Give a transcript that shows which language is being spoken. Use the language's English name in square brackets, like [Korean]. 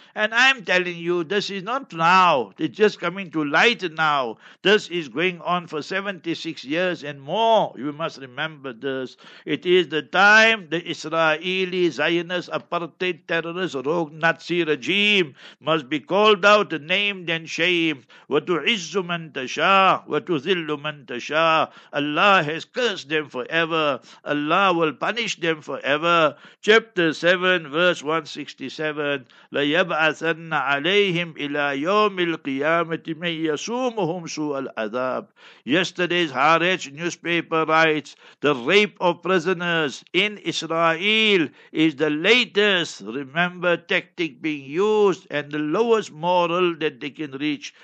[English] And I'm telling you, this is not now, it's just coming to light now. This is going on for 76 years and more. You must remember this. It is the time the Israeli Zionist apartheid terrorist rogue Nazi regime must be called out, named and shamed. [Arabic] الرحيم وتعز من تشاء وتذل من تشاء. [English] Allah has cursed them forever. Allah will punish them forever. Chapter 7, verse 167. [Arabic] لَيَبْعَثَنَّ عَلَيْهِمْ إِلَى يَوْمِ الْقِيَامَةِ مَنْ يَسُومُهُمْ سُوَ الْعَذَابِ. [English] Yesterday's Haaretz newspaper writes, the rape of prisoners in Israel is the latest remember tactic being used and the lowest moral that they can reach.